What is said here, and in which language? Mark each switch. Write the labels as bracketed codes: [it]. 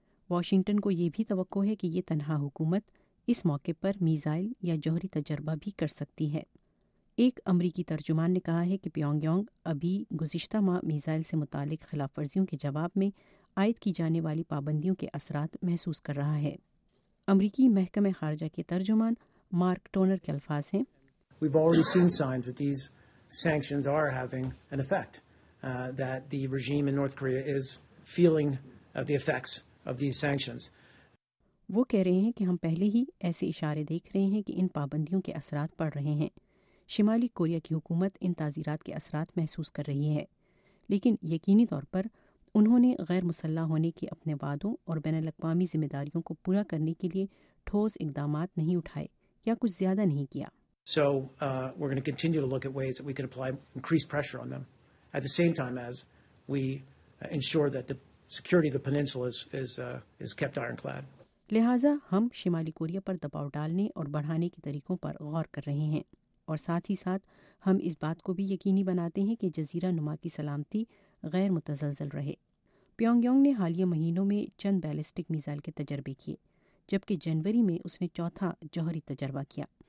[ur] Washington को यह भी तवक्को है कि ये तनहा हुकूमत इस मौके पर मिसाइल या जौहरी तजर्बा भी कर सकती है। ایک امریکی ترجمان نے کہا ہے کہ پیونگ یانگ ابھی گزشتہ ماہ میزائل سے متعلق خلاف ورزیوں کے جواب میں عائد کی جانے والی پابندیوں کے اثرات محسوس کر رہا ہے۔ امریکی محکمہ خارجہ کے ترجمان مارک ٹونر کے الفاظ ہیں، [en] We've already seen signs that these sanctions are having an effect, that the regime in North Korea is feeling the effects of these sanctions. [ur] وہ کہہ رہے ہیں کہ ہم پہلے ہی ایسے اشارے دیکھ رہے ہیں کہ ان پابندیوں کے اثرات پڑ رہے ہیں۔ شمالی کوریا کی حکومت ان تعزیرات کے اثرات محسوس کر رہی ہے، لیکن یقینی طور پر انہوں نے غیر مسلح ہونے کے اپنے وعدوں اور بین الاقوامی ذمہ داریوں کو پورا کرنے کے لیے ٹھوس اقدامات نہیں اٹھائے یا کچھ زیادہ نہیں کیا۔ [en] So we're going to continue to look at ways that we can apply increased pressure on them at the same time as we ensure that the security of the peninsula is kept ironclad. [ur] لہٰذا ہم شمالی Korea پر دباؤ ڈالنے اور بڑھانے کے طریقوں پر غور کر رہے ہیں، اور ساتھ ہی ساتھ ہم اس بات کو بھی یقینی بناتے ہیں کہ جزیرہ نما کی سلامتی غیر متزلزل رہے۔ پیونگ یانگ نے حالیہ مہینوں میں چند بیلسٹک میزائل کے تجربے کیے، جبکہ جنوری میں اس نے چوتھا جوہری تجربہ کیا۔